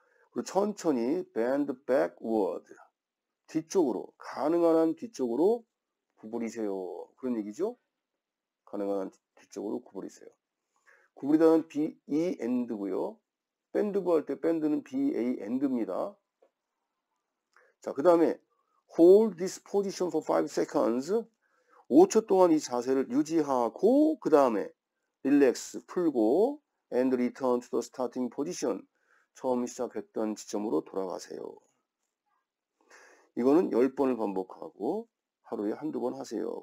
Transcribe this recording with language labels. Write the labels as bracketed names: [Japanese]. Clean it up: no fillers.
[Korean] 그리고 천천히 [English] bend backward, [Korean] 뒤쪽으로, 가능한 한 뒤쪽으로 구부리세요. 그런 얘기죠? 가능한 한 뒤쪽으로 구부리세요. 구부리다는 BEND고요. 밴드고 할 때 밴드는 BAND입니다. 자, 그 다음에 [English] Hold this position for 5 seconds. [Korean] 5초 동안 이 자세를 유지하고 그 다음에 Relax, 풀고 [English] And return to the starting position. [Korean] 처음 시작했던 지점으로 돌아가세요. 이거는 10번을 반복하고 하루에 한두 번 하세요.